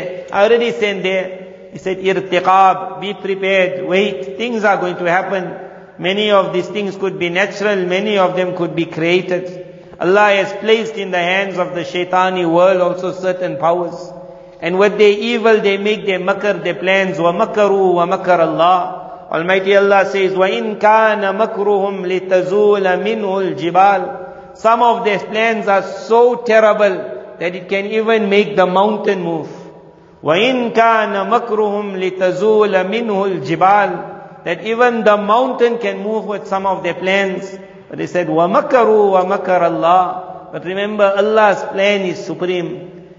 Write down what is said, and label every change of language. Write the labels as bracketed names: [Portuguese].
[English] I already sent there. He said, irtiqab, be prepared, wait, things are going to happen. Many of these things could be natural, many of them could be created. Allah has placed in the hands of the shaitani world also certain powers. And with their evil, they make their makr, their plans. وَمَكَرُوا وَمَكَرَ اللَّهُ. Almighty Allah says, [Arabic] وَإِنْ كَانَ مَكْرُهُمْ لِتَزُولَ مِنْهُ الْجِبَالِ. [English] Some of their plans are so terrible that it can even make the mountain move. [Arabic] وَإِنْ كَانَ مَكْرُهُمْ لِتَزُولَ مِنْهُ الْجِبَالِ. [English] That even the mountain can move with some of their plans. But they said, [Arabic] وَمَكَرُوا وَمَكَرَ اللَّهُ. [English] But remember, Allah's plan is supreme.